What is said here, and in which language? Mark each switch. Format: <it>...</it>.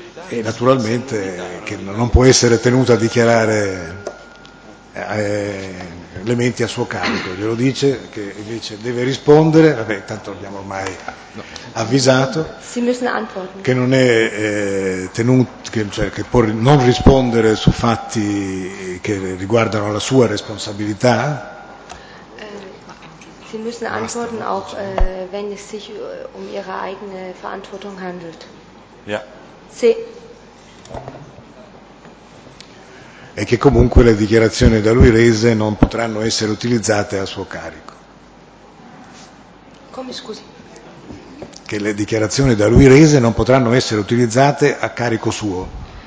<it>E naturalmente che non può essere tenuto a dichiarare elementi a suo carico, glielo dice che invece deve rispondere, vabbè, tanto l'abbiamo ormai avvisato che non è tenuto, cioè che può non rispondere su fatti che riguardano la sua responsabilità.</it> <de>Sie müssen antworten auch wenn es sich um ihre eigene Verantwortung handelt. Ja.</de> <it>Sì. E che comunque le dichiarazioni da lui rese non potranno essere utilizzate a suo carico. Come, scusi? Che le dichiarazioni da lui rese non potranno essere utilizzate a carico suo.</it>